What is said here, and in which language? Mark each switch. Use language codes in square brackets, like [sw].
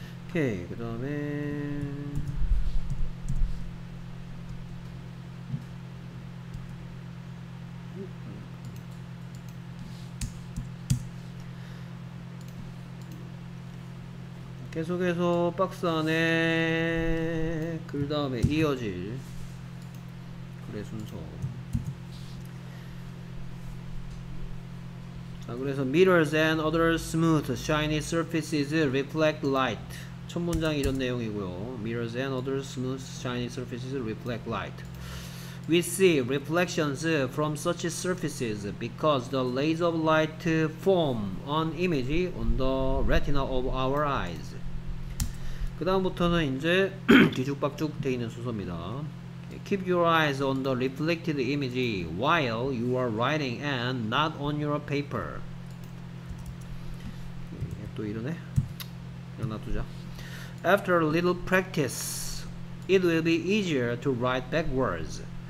[ko] 오케이, 그 다음에 계속해서 박스 안에 그 다음에 이어질 글의 순서. [en] 자, 그래서 mirrors and other smooth shiny surfaces reflect light. [ko] 첫 문장이 이런 내용이고요. [en] mirrors and other smooth shiny surfaces reflect light. We see reflections from such surfaces because the rays of light form an image on the retina of our eyes. [ko] 그 다음부터는 이제 뒤죽박죽 돼 있는 순서입니다. [en] Keep your eyes on the reflected image while you are writing and not on your paper. 또 이러네. 그냥 놔두자. After a little practice, it will be easier to write backwards.